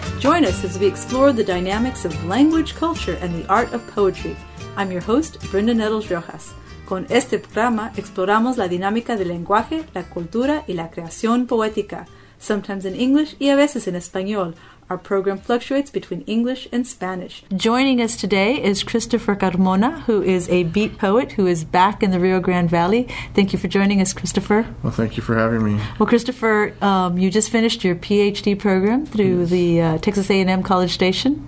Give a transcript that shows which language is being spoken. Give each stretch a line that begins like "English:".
English: Join us as we explore the dynamics of language, culture, and the art of poetry. I'm your host, Brenda Nettles Rojas.
Spanish: Con este programa, exploramos la dinámica del lenguaje, la cultura y la creación poética,
English: sometimes in English
Spanish: y a veces en español.
English: Our program fluctuates between English and Spanish. Joining us today is Christopher Carmona, who is a beat poet who is back in the Rio Grande Valley. Thank you for joining us, Christopher. Well, thank you for having me. Well, Christopher, you just finished your PhD program through the Texas A&M College Station.